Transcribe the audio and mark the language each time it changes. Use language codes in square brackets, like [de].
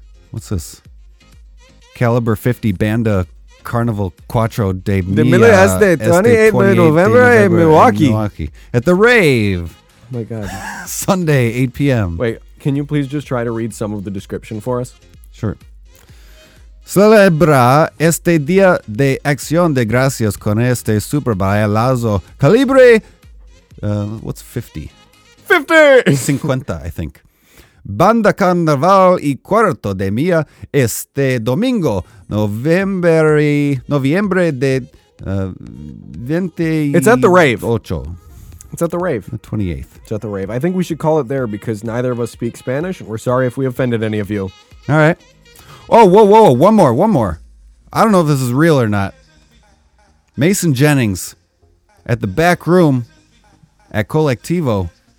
[en] What's this? Caliber 50 Banda Carnival Quattro de the Mille Este, 28th of November in Milwaukee. At the Rave. Oh my God. Sunday, 8 p.m. Wait, can you please just try to read some of the description for us? Sure. [es] Celebra este día de acción de gracias con este super bailazo calibre. [en] What's 50? 50! 50, I think. [es] Banda Carnaval y Cuarto de Mía este domingo, noviembre de 28. [en] It's at the Rave. [es] Ocho. [en] It's at the Rave. The 28th. It's at the Rave. I think we should call it there because neither of us speak Spanish. We're sorry if we offended any of you. All right. Oh, whoa. One more. I don't know if this is real or not. Mason Jennings at the Back Room at Colectivo.